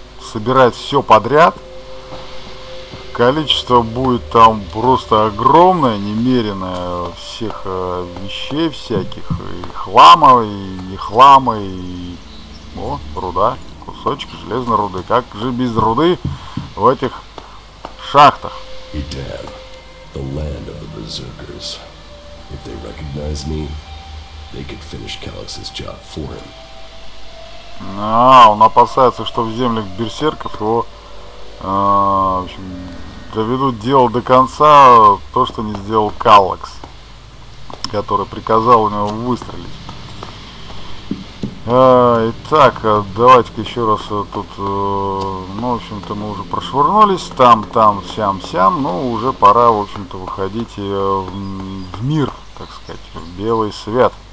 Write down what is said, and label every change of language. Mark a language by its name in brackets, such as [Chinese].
[Russian] собирать все подряд, количество будет там просто огромное, немеренное, всех вещей всяких, и хлама, и не хлама, и... О, руда, кусочек железной руды. Как же без руды в этих шахтах? [English] Итан, the land of the berserkers. If they recognize me, they could finish Kallax's job for him. [Russian] А, он опасается, что в землях берсерков его, в общем, доведут дело до конца, то, что не сделал Каллакс, который приказал у него выстрелить. Итак, давайте-ка еще раз тут, ну, в общем-то, мы уже прошвырнулись там, сям-сям, ну, уже пора, в общем-то, выходить в мир, так сказать, в белый свет.